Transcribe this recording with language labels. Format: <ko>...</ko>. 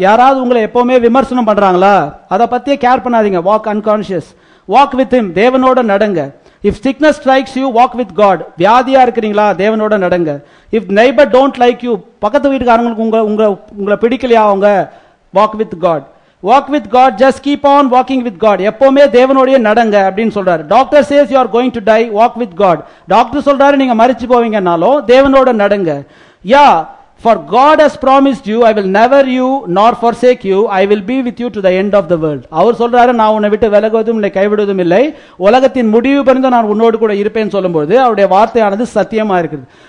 <ta>யாராவது உங்களை எப்பவுமே விமர்சனம் பண்றாங்களா, அதை பத்தியே கேர் பண்ணாதீங்க.</ta> <en>walk unconscious, walk with him,</en> <ta>தேவனோட நடங்க.</ta> <en>if sickness strikes you, walk with God.</en> <ta>வியாதியா இருக்கிறீங்களா, தேவனோட நடங்க.</ta> <en>if neighbor don't like you,</en> <ta>பக்கத்து வீட்டுக்காரங்களுக்கு உங்களை பிடிக்கலையா, அவங்க,</ta> <en>walk with God. Walk with God, just keep on walking with God.</en> <ta>எப்பவுமே தேவனோடே நடங்க அப்படின்னு சொல்றாரு.</ta> <en>Doctor says you are going to die, walk with God.</en> <ta>Doctor சொல்றாரு நீங்க மரிச்சு போவீங்கனாலும் தேவனோட நடங்க.</ta> <en>Yeah, for God has promised you, I will never you nor forsake you, I will be with you to the end of the world.</en> <ta>அவர் சொல்றாரு, நான் உன்னை விட்டு விலகுவதும் இல்லை, கைவிடுவதும் இல்லை, உலகத்தின் முடிவு பிறந்து நான் உன்னோடு கூட இருப்பேன்னு சொல்லும்போது அவருடைய வார்த்தையானது சத்தியமா இருக்குது.</ta>